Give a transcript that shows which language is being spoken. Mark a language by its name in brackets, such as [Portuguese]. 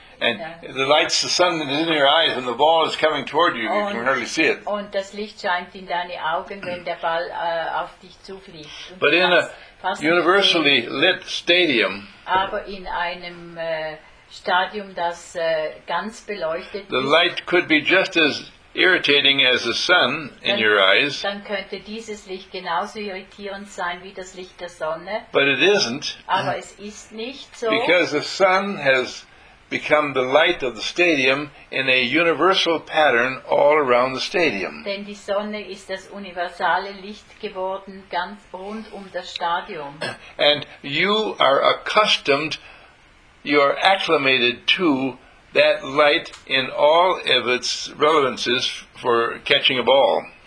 [English] And the lights, the sun is in your eyes, and the ball is coming toward you. You can hardly see it. [German] Und das Licht scheint in deine Augen, wenn der Ball auf dich zufliegt. [English] But in a universally lit stadium. [German] Aber in einem Stadium, das ganz beleuchtet. [English] The light could be just as irritating as the sun in your eyes. [German] Dann könnte dieses Licht genauso irritierend sein wie das Licht der Sonne. [English] But it isn't. [German] Aber es ist nicht so. [English] Because the sun has become the light of the stadium in a universal pattern all around the stadium. [German] Denn die Sonne ist das universale Licht geworden, ganz rund das Stadion. [English] And you are accustomed, you are acclimated to that light in all of its relevances for catching a ball.